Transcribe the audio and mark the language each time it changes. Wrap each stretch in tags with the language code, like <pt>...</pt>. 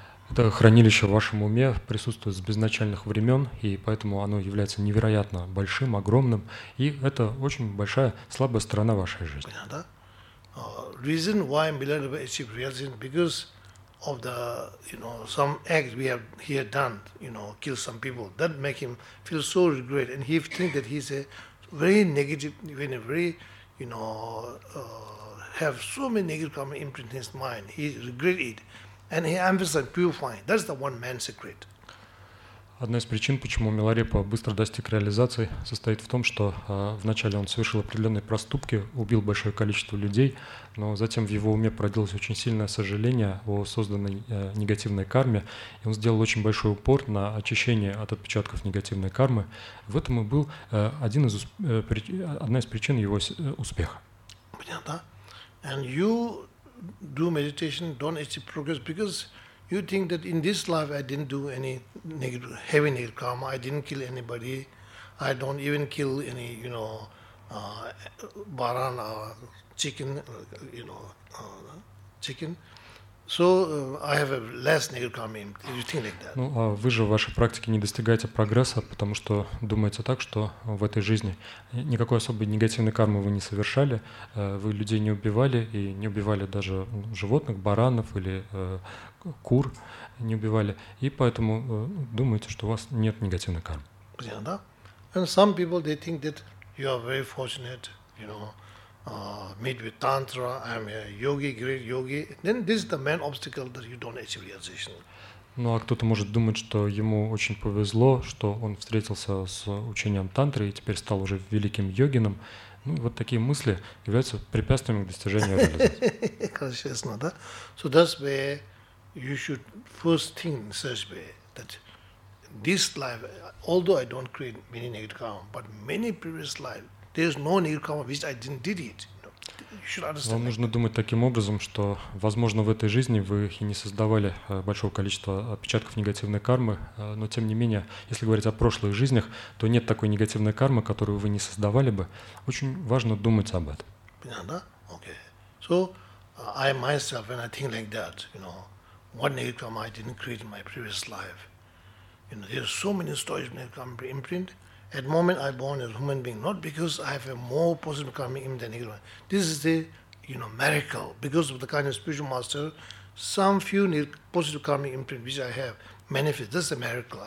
<ru>Это хранилище в вашем уме присутствует с безначальных времен, и поэтому оно является невероятно большим, огромным, и это очень большая слабая сторона вашей жизни.</ru> <en>Reason why Milarepa achieved reality is because of the, you know, some act we have here done, you know, kill some people. That make him feel so regret, and he think that he's a very negative, even a very, you know, have so many negative karma imprint in his mind. He regret it, and he emphasized purifying. That's the one man's secret.</en> <ru>Одна из причин, почему Миларепа быстро достиг реализации, состоит в том, что вначале он совершил определенные проступки, убил большое количество людей, но затем в его уме породилось очень сильное сожаление о созданной негативной карме, и он сделал очень большой упор на очищение от отпечатков негативной кармы. В этом и был одна из причин его успеха. Понятно.</ru> <en>And you do meditation, don't achieve progress, because you think that in this life I didn't do any negative, heavy negative karma. I didn't kill anybody. I don't even kill any, you know, baran or chicken, you know, chicken. So I have a less negative karma. You think like that?</en> <ru>Ну, а вы же в вашей практике не достигаете прогресса, потому что думаете так, что в этой жизни никакой особой негативной кармы вы не совершали. Вы людей не убивали и не убивали даже животных, баранов или кур не убивали, и поэтому думаете, что у вас нет негативной кармы.</ru> <en>Yeah,</en> <ru>да?</ru> <en>And some people, they think that you are very fortunate, you know, meet with Tantra, I'm a yogi, great yogi. Then this is the main obstacle that you don't achieve realization.</en> <ru>Ну, а кто-то может думать, что ему очень повезло, что он встретился с учением Тантры и теперь стал уже великим йогином. Ну, вот такие мысли являются препятствиями к достижению реализации. Честно, да?</ru> <en>So that's where you should first think in such a way that this life, although I don't create many negative karma, but many previous life, there is no negative karma which I didn't did it. You should understand.</en> <ru>Вам нужно думать таким образом, что, возможно, в этой жизни вы и не создавали большого количества отпечатков негативной кармы, но тем не менее, если говорить о прошлых жизнях, то нет такой негативной кармы, которую вы не создавали бы. Очень важно думать об этом. Понятно?</ru> <en>Okay. So I myself, when I think like that, you know, what negative karma I didn't create in my previous life. You know, there's so many stories of negative karma imprint. At the moment I born as a human being, not because I have a more positive karma imprint than negative one. This is the, you know, miracle. Because of the kind of spiritual master, some few positive karma imprint which I have manifest. That's a miracle.</en>